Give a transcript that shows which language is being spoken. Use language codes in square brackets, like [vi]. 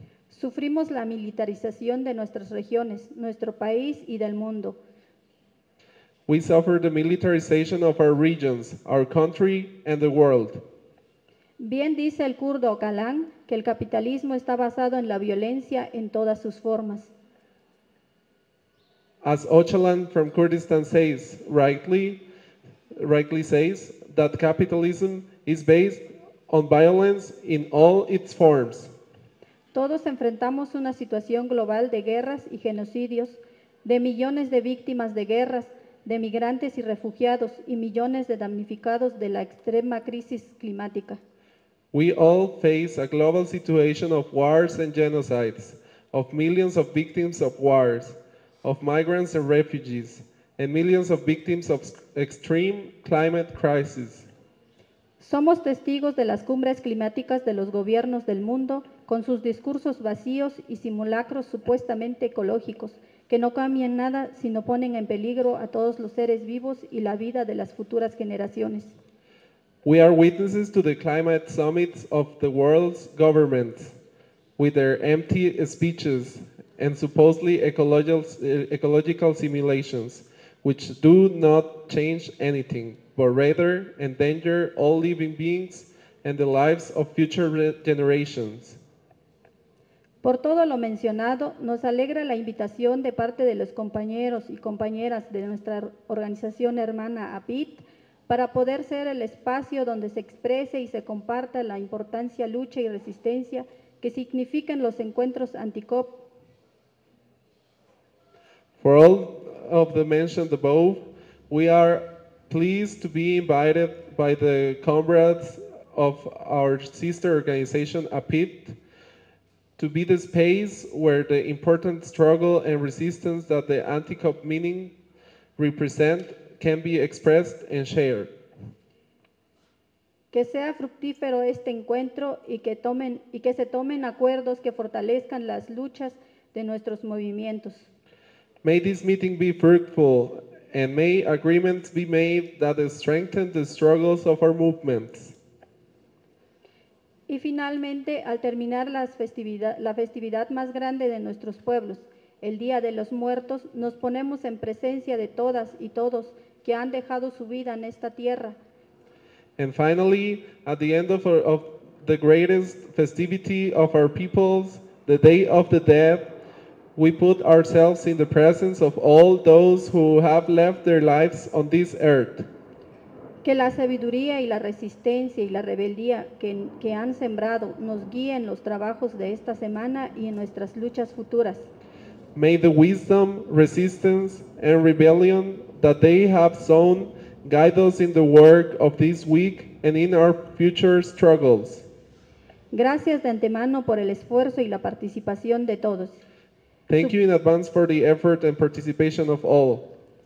[es] Sufrimos la militarización de nuestras regiones, nuestro país y del mundo. [en] We suffer the militarization of our regions, our country and the world. [es] Bien dice el kurdo Ocalan que el capitalismo está basado en la violencia en todas sus formas. [en] As Ocalan from Kurdistan says, rightly says that capitalism is based on violence in all its forms. [es] Todos enfrentamos una situación global de guerras y genocidios, de millones de víctimas de guerras, de migrantes y refugiados y millones de damnificados de la extrema crisis climática. [en] We all face a global situation of wars and genocides, of millions of victims of wars, of migrants and refugees, and millions of victims of extreme climate crisis. [es] Somos testigos de las cumbres climáticas de los gobiernos del mundo con sus discursos vacíos y simulacros supuestamente ecológicos que no cambian nada sino ponen en peligro a todos los seres vivos y la vida de las futuras generaciones. [en] We are witnesses to the climate summits of the world's governments with their empty speeches and supposedly ecological simulations which do not change anything, but rather endanger all living beings and the lives of future generations. [es] Por todo lo mencionado, nos alegra la invitación de parte de los compañeros y compañeras de nuestra organización hermana APIT para poder ser el espacio donde se exprese y se comparta la importancia, lucha y resistencia que significan los encuentros anti-COP. [en] For all of the mentioned above, we are pleased to be invited by the comrades of our sister organization APIT to be the space where the important struggle and resistance that the anti-COP meaning represent can be expressed and shared. [es] Que sea fructífero este encuentro y que se tomen acuerdos que fortalezcan las luchas de nuestros movimientos. [en] May this meeting be fruitful and may agreements be made that strengthen the struggles of our movements. [es] Y finalmente, al terminar la festividad más grande de nuestros pueblos, el Día de los Muertos, nos ponemos en presencia de todas y todos que han dejado su vida en esta tierra. [en] And finally, at the end of the greatest festivity of our peoples, the Day of the Dead, we put ourselves in the presence of all those who have left their lives on this earth. [es] Que la sabiduría y la resistencia y la rebeldía que han sembrado nos guíen los trabajos de esta semana y en nuestras luchas futuras. [en] May the wisdom, resistance, and rebellion that they have sown guide us in the work of this week and in our future struggles. [es] Gracias de antemano por el esfuerzo y la participación de todos. [en] Thank you in advance for the effort and participation of all.